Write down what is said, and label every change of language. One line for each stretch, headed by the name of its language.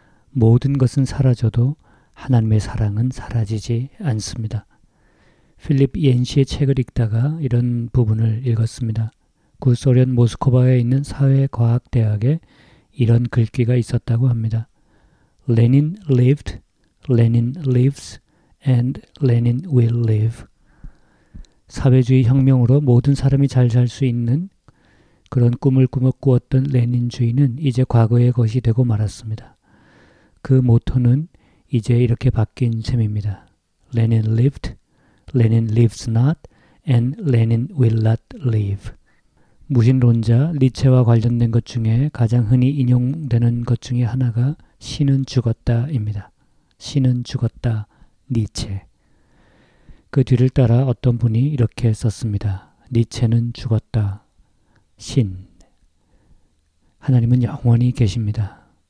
Korean: 모든 것은 사라져도 하나님의 사랑은 사라지지 않습니다. 필립 옌시의 책을 읽다가 이런 부분을 읽었습니다. 구소련 모스크바에 있는 사회과학대학에 이런 글귀가 있었다고 합니다.
English: Lenin lived, Lenin lives, and Lenin will live.
Korean: 사회주의 혁명으로 모든 사람이 잘 살 수 있는 그런 꿈을 꾸며 꾸었던 레닌주의는 이제 과거의 것이 되고 말았습니다. 그 모토는 이제 이렇게 바뀐 셈입니다.
English: Lenin lived, Lenin lives not, and Lenin will not live.
Korean: 무신론자 니체와 관련된 것 중에 가장 흔히 인용되는 것 중에 하나가 신은 죽었다입니다. 신은 죽었다, 니체. 그 뒤를 따라 어떤 분이 이렇게 썼습니다. 니체는 죽었다, 신. 하나님은 영원히 계십니다.